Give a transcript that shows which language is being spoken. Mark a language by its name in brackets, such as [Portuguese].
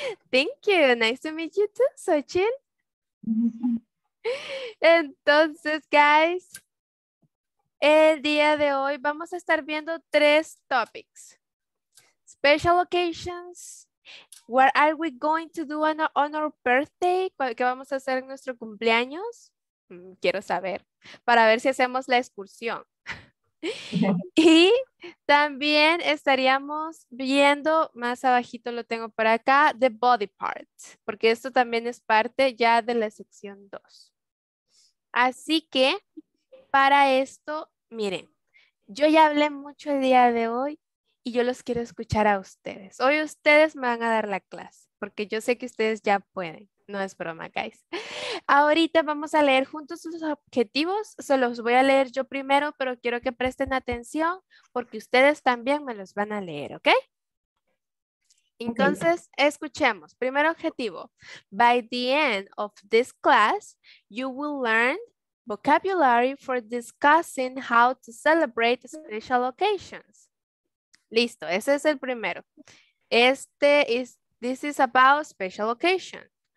[English] Thank you. Nice to meet you too, Xochitl. [Spanish] Entonces, guys, el día de hoy vamos a estar viendo tres topics. [English] Special occasions. What are we going to do on our birthday? [Spanish] ¿Qué vamos a hacer en nuestro cumpleaños? Quiero saber, para ver si hacemos la excursión. Y también estaríamos viendo, más abajito lo tengo por acá, the body part, porque esto también es parte ya de la sección 2. Así que, para esto, miren, yo ya hablé mucho el día de hoy y yo los quiero escuchar a ustedes. Hoy ustedes me van a dar la clase, porque yo sé que ustedes ya pueden. No es broma, guys. Ahorita vamos a leer juntos sus objetivos. Se los voy a leer yo primero, pero quiero que presten atención porque ustedes también me los van a leer, ¿ok? Entonces, escuchemos. Primer objetivo. [English] By the end of this class, you will learn vocabulary for discussing how to celebrate special occasions. [Spanish] Listo, ese es el primero. [English] This is about special occasions.